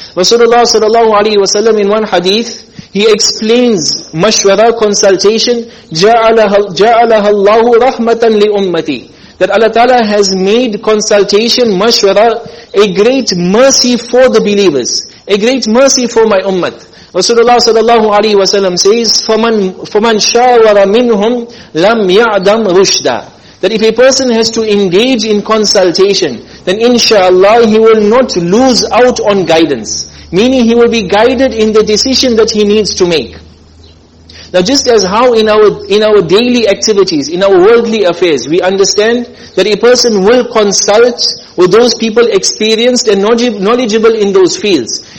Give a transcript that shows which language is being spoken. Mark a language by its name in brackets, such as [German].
[English] Rasulullah sallallahu alaihi wasallam in one hadith, he explains mashwara, consultation, [Arabic] جَعَلَهَا اللَّهُ رَحْمَةً لِأُمَّتِي. [English] That Allah Ta'ala has made consultation, mashwara, a great mercy for the believers, a great mercy for my ummah. Rasulullah sallallahu alaihi wasallam says, [Arabic] فَمَنْ شَاوَرَ مِنْهُمْ لَمْ يَعْدَمْ رُشْدًا. [English] That if a person has to engage in consultation, then inshallah he will not lose out on guidance. Meaning he will be guided in the decision that he needs to make. Now just as how in our daily activities, in our worldly affairs, we understand that a person will consult with those people experienced and knowledgeable in those fields.